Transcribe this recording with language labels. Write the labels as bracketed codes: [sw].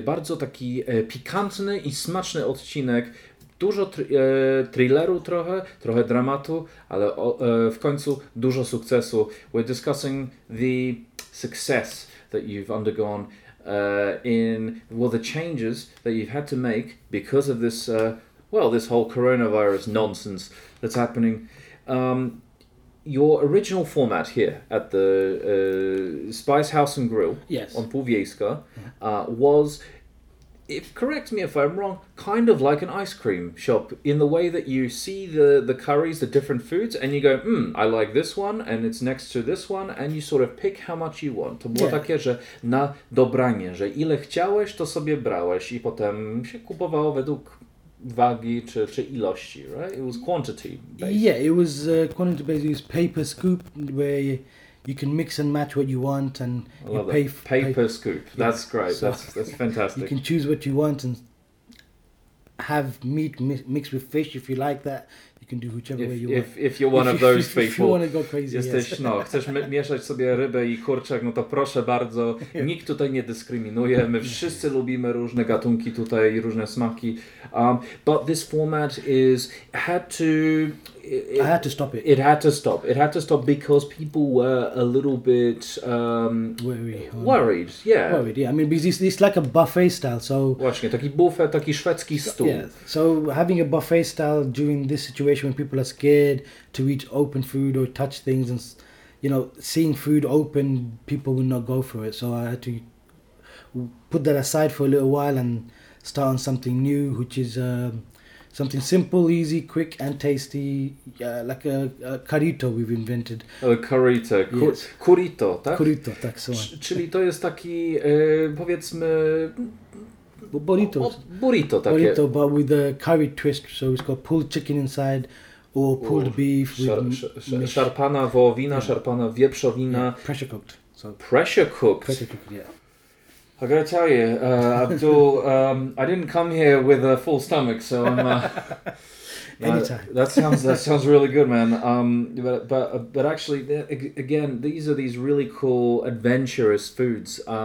[pl] Bardzo taki pikantny i smaczny odcinek. Dużo thrilleru trochę dramatu, ale w końcu dużo sukcesu. [en] We're discussing the success that you've undergone the changes that you've had to make because of this, this whole coronavirus nonsense that's happening. Your original format here at the Spice House and Grill, yes, on Półwiejska, was, if correct me if I'm wrong, kind of like an ice cream shop in the way that you see the curries, the different foods, and you go, I like this one, and it's next to this one, and you sort of pick how much you want. [pl] To było takie, że na dobranie, że ile chciałeś, to sobie brałeś i potem się kupowało według wagi czy ilości, [en] right? It was quantity based. Yeah, it was quantity based. It was paper scoop where you can mix and match what you want and you pay. Paper scoop. Yeah. That's great. So, that's fantastic. You can choose what you want and have meat mixed with fish if you like that. You can do whichever way you want. If you're one of those people. If you want to go crazy, [pl] jesteś, [en] yes. [pl] No, chcesz mieszać sobie rybę i kurczak, no to proszę bardzo. [en] Yeah. [pl] Nikt tutaj nie dyskryminuje. My wszyscy lubimy różne gatunki tutaj i różne smaki. [en] But this format had to stop. It had to stop because people were a little bit worried. Yeah. Worried, yeah. I mean, because it's like a buffet style, so... [pl] Właśnie, taki buffet, taki szwedzki stół. [en] Yeah, so having a buffet style during this situation when people are scared to eat open food or touch things and, you know, seeing food open, people would not go for it. So I had to put that aside for a little while and start on something new, which is... something simple, easy, quick, and tasty, like a Currito we've invented. [pl] A Currito. Currito, tak? [en] Currito, [pl] tak, [en] so on. [pl] Czyli to jest taki, powiedzmy... Burrito. Burrito, takie. [en] Burrito, but with a curry twist, so it's got pulled chicken inside, or pulled beef. [pl] Szarpana wołowina, szarpana wieprzowina. [en] Yeah. Pressure cooked. So pressure cooked? Pressure cooked, yeah. I gotta tell you, Abdul, I didn't come here with a full stomach, so I'm. Anytime. That sounds really good, man. But actually, again, these are these really cool adventurous foods.